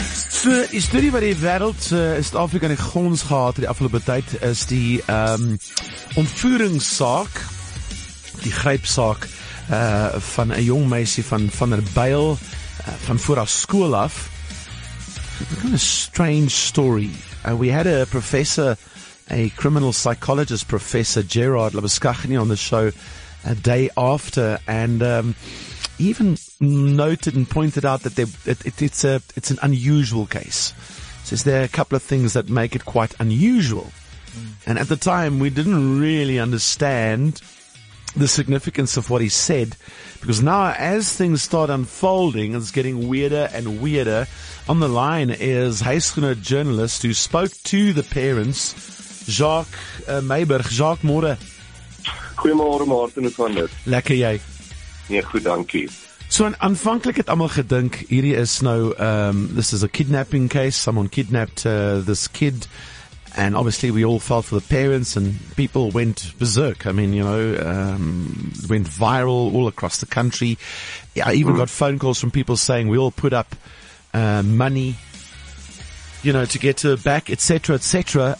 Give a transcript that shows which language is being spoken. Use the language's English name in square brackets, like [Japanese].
[Afrikaans] So, die studie wat die wêreld Suid-Afrika in die gons gehad die afgelope tyd is die ontvoeringssaak, die grypsaak van 'n jong meisie van Vanderbijl van voor haar skool af. [English] It's kind of a strange story. We had a professor, a criminal psychologist professor, Gerard Labuschagne, on the show a day after, and even noted and pointed out that it's an unusual case. Says there are a couple of things that make it quite unusual. And at the time, we didn't really understand the significance of what he said, because now as things start unfolding, it's getting weirder and weirder. On the line is Heyskuna journalist who spoke to the parents, Jacques Meiberg. [Afrikaans] Jacques, morgen. Goedemorgen, Martin. Hoe gaan dit? Lekker, jy? Nee, goed, dankie. So, aanvankelijk het allemaal gedink, hierdie is nou, [English] this is a kidnapping case. Someone kidnapped this kid. And obviously we all felt for the parents and people went berserk. I mean, you know, went viral all across the country. Yeah, I even got phone calls from people saying we all put up money, you know, to get her back, et cetera, et cetera.